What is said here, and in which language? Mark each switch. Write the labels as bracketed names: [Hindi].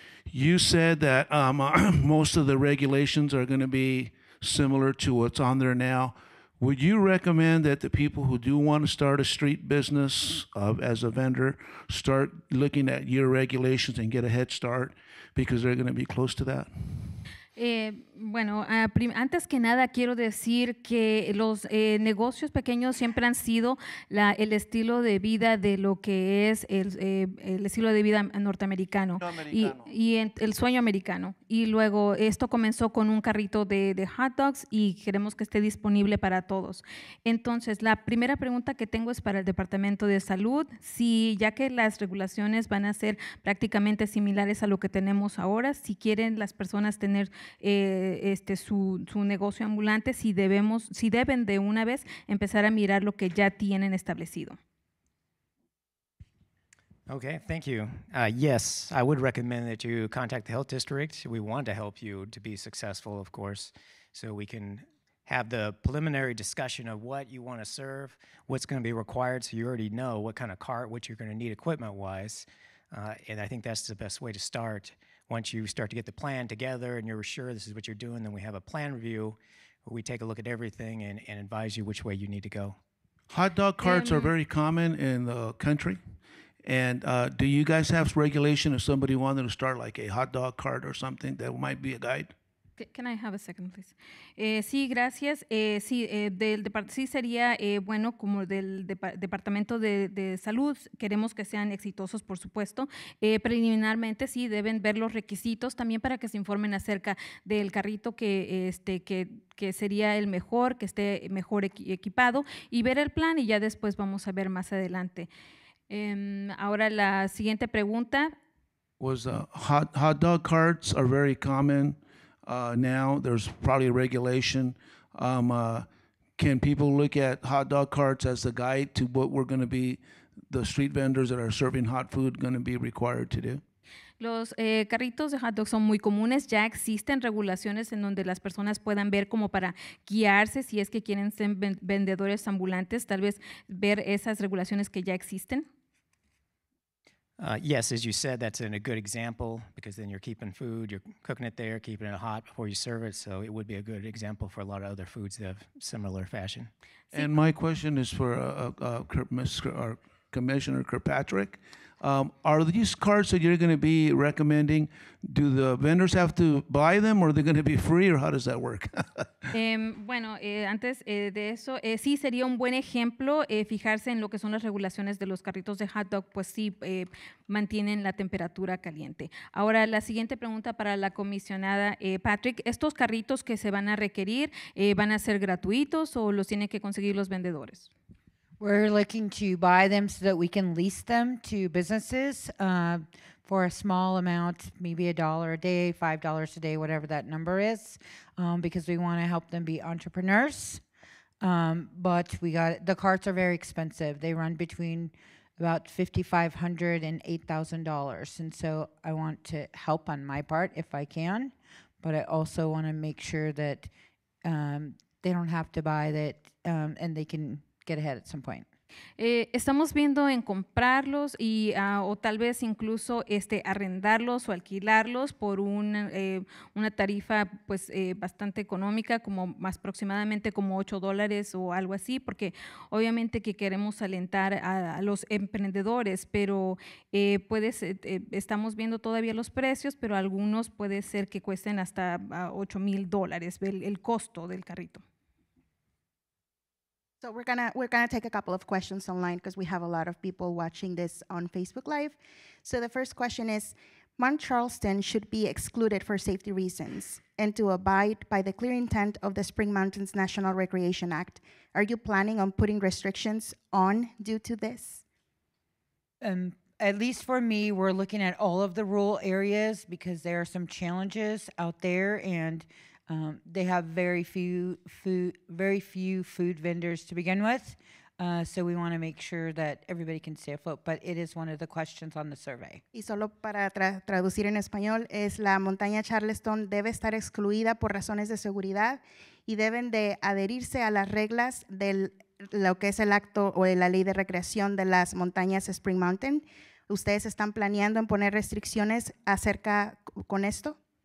[English] You said that most of the regulations are going to be similar to what's on there now. Would you recommend that the people who do want to start a street business as a vendor start looking at your regulations and get a head start because they're going to be close to that? [Spanish] Bueno, antes que nada quiero decir que los negocios pequeños siempre han sido el estilo de vida de lo que es el estilo de vida norteamericano y el sueño americano. Y luego esto comenzó con un carrito de hot dogs y queremos que esté disponible para todos. Entonces, la primera pregunta que tengo es para el Departamento de Salud. Si ya que las regulaciones van a ser prácticamente similares a lo que tenemos ahora, si quieren las personas tener su negocio ambulante, si deben de una vez empezar a mirar lo que ya tienen establecido. [English] Okay, thank you. Yes, I would recommend that you contact the health district. We want to help you to be successful, of course, so we can have the preliminary discussion of what you want to serve, what's going to be required, so you already know what kind of cart, what you're going to need equipment-wise, and I think that's the best way to start. Once you start to get the plan together and you're sure this is what you're doing, then we have a plan review where we take a look at everything and advise you which way you need to go. Hot dog carts are very common in the country. And do you guys have regulation if somebody wanted to start like a hot dog cart or something that might be a guide? Can I have a second, please? [Spanish] Sí, gracias. Sí, sí sería bueno como del Departamento de Salud. Queremos que sean exitosos, por supuesto. Preliminarmente, sí, deben ver los requisitos también para que se informen acerca del carrito que sería el mejor, que esté mejor equipado y ver el plan y ya después vamos a ver más adelante. Ahora la siguiente pregunta. [English] Was hot dog carts are very common. Now there's probably a regulation. Can people look at hot dog carts as a guide to what we're going to be, the street vendors that are serving hot food going to be required to do? [Spanish] Los carritos de hot dogs son muy comunes. Ya existen regulaciones en donde las personas puedan ver como para guiarse si es que quieren ser vendedores ambulantes, tal vez ver esas regulaciones que ya existen. [English] Yes, as you said, that's a good example because then you're keeping food, you're cooking it there, keeping it hot before you serve it. So it would be a good example for a lot of other foods that have similar fashion. And my question is for Commissioner Kirkpatrick. Are these carts that you're going to be recommending, do the vendors have to buy them or are they going to be free or how does that work? [Spanish] bueno, antes de eso, sí sería un buen ejemplo fijarse en lo que son las regulaciones de los carritos de hot dog, pues sí mantienen la temperatura caliente. Ahora, la siguiente pregunta para la comisionada Patrick, ¿estos carritos que se van a requerir van a ser gratuitos o los tienen que conseguir los vendedores? [English] We're looking to buy them so that we can lease them to businesses for a small amount, maybe $1 a day, $5 a day, whatever that number is, because we want to help them be entrepreneurs. But the carts are very expensive. They run between about $5,500 and $8,000. And so I want to help on my part if I can, but I also want to make sure that they don't have to buy that and they can get ahead at some point. [Spanish] Estamos viendo en comprarlos y o tal vez incluso arrendarlos o alquilarlos por una tarifa pues bastante económica, como más aproximadamente como $8 o algo así, porque obviamente que queremos alentar a los emprendedores, pero estamos viendo todavía los precios, pero algunos puede ser que cuesten hasta $8,000 el costo del carrito. [English] So we're gonna take a couple of questions online because we have a lot of people watching this on Facebook Live. So the first question is, Mount Charleston should be excluded for safety reasons and to abide by the clear intent of the Spring Mountains National Recreation Act. Are you planning on putting restrictions on due to this? At least for me, we're looking at all of the rural areas because there are some challenges out there, and they have very few food vendors to begin with, so we want to make sure that everybody can stay afloat. But it is one of the questions on the survey. [Spanish] Y solo para traducir en español es la montaña Charleston debe estar excluida por razones de seguridad y deben de adherirse a las reglas del lo que es el acto o la ley de recreación de las montañas Spring Mountain. ¿Ustedes están planeando en poner restricciones acerca con esto?